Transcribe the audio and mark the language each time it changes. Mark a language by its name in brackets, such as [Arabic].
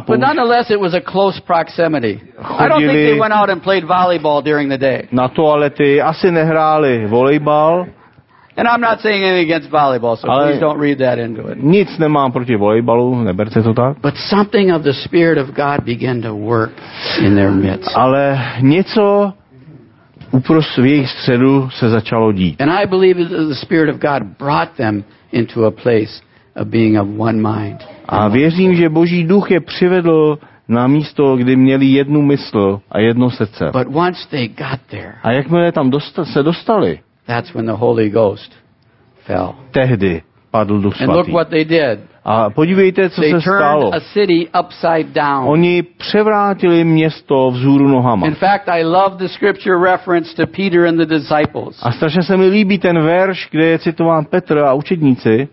[English] But nonetheless it was a close proximity. I don't think they went out and played volleyball during the day. [Czech] Na toalety asi nehráli volejbal. [English] And I'm not saying anything against volleyball, so [Czech] ale [English] please don't read that into it. [Czech] Nic nemám proti volejbalu, neberte to tak. [English] But something of the Spirit of God began to work in their midst. [Czech] Ale něco uprostřed jejich středu se začalo dít. [English] And I believe that the Spirit of God brought them into a place of being of one mind. [Czech] A věřím, že Boží duch je přivedl na místo, kdy měli jednu mysl a jedno srdce. [English] But once they got there. [Czech] A jakmile tam se dostali. [English] That's when the Holy Ghost fell. [Czech] Tehdy padl Duch Svatý. [English] And look what they did. [Czech] A podívejte, co [English] they [Czech] se [English] turned [Czech] stalo. [English] A city upside down. [Czech] Oni převrátili město vzhůru nohama. [English] In fact, I love the scripture reference to Peter and the disciples. [Czech] A strašně se mi líbí ten verš, kde je citován Petr a učedníci.